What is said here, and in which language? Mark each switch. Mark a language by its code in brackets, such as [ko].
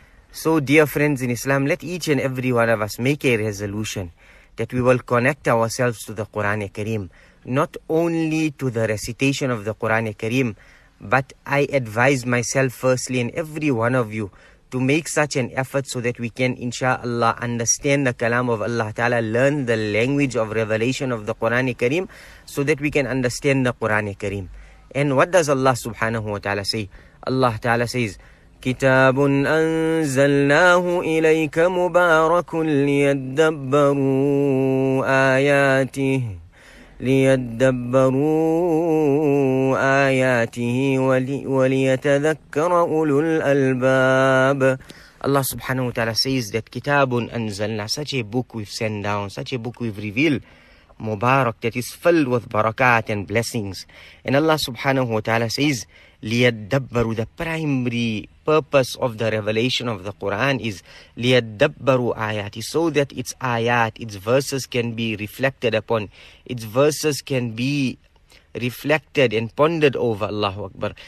[en] So dear friends in Islam, let each and every one of us make a resolution that we will connect ourselves to the Qur'an al-Kareem, not only to the recitation of the Qur'an al-Kareem, but I advise myself firstly and every one of you to make such an effort so that we can inshallah understand the kalam of Allah Ta'ala, learn the language of revelation of the Qur'an al-Kareem so that we can understand the Qur'an al-Kareem. And what does Allah subhanahu wa ta'ala say? Allah Ta'ala says, [ar] كتاب أنزلناه إليك مبارك ليدبروا آياته ليدبروا آياته وليتذكر أولو الألباب. [en] Allah subhanahu wa ta'ala says that kitabun anzalna, such a book we've sent down, such a book we've revealed, mubarak, that is filled with barakat and blessings. And Allah subhanahu wa ta'ala says, liyadabbaru, the primary purpose of the revelation of the Quran is liyadabbaru ayati, so that its ayat, its verses can be reflected upon, its verses can be reflected and pondered over. Allahu Akbar.